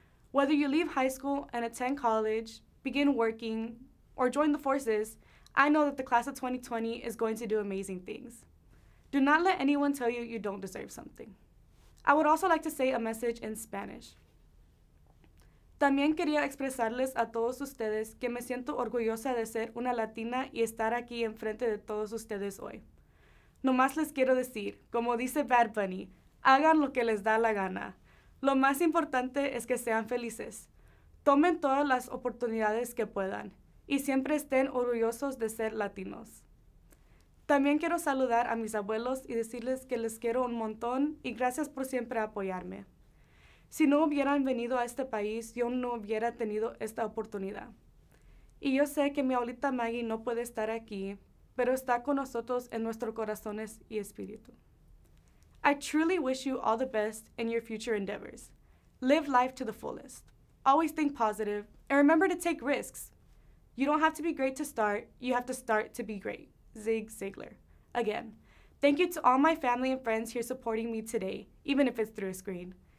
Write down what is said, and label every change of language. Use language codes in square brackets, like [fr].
[en] Whether you leave high school and attend college, begin working, or join the forces, I know that the class of 2020 is going to do amazing things. Do not let anyone tell you you don't deserve something. I would also like to say a message in Spanish. [es] También quería expresarles a todos ustedes que me siento orgullosa de ser una latina y estar aquí enfrente de todos ustedes hoy. Nomás les quiero decir, como dice Bad Bunny, hagan lo que les da la gana. Lo más importante es que sean felices. Tomen todas las oportunidades que puedan y siempre estén orgullosos de ser latinos. También quiero saludar a mis abuelos y decirles que les quiero un montón y gracias por siempre apoyarme. Si no hubieran venido a este país, yo no hubiera tenido esta oportunidad. Y yo sé que mi abuelita Maggie no puede estar aquí, pero está con nosotros en nuestros corazones y espíritu. [en] I truly wish you all the best in your future endeavors. Live life to the fullest. Always think positive and remember to take risks. You don't have to be great to start, you have to start to be great. Zig Ziglar. Again, thank you to all my family and friends here supporting me today, even if it's through a screen.